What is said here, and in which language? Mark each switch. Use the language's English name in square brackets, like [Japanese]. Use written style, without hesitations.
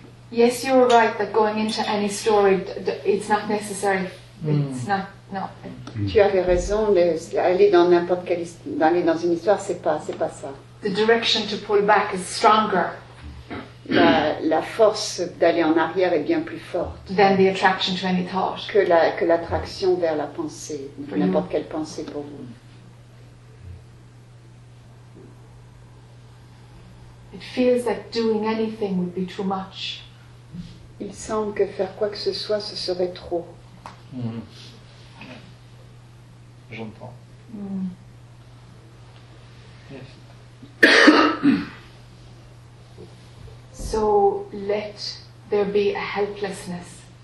[English] Yes, you're right that going into any story, it's not necessary. It's not. No. [French] Tu avais raison. Aller dans n'importe quelle histoire, aller dans une histoire, c'est pas ça. [English] The direction to pull back is stronger. [French] La force d'aller en arrière est bien plus forte [English] than the attraction to any thought. [French] Que l'attraction vers la pensée, n'importe quelle pensée pour vous. [English] It feels that doing anything would be too much. [French] Il semble que faire quoi que ce soit, ce serait trop. Mm-hmm. J'entends. [English] So let there be a helplessness.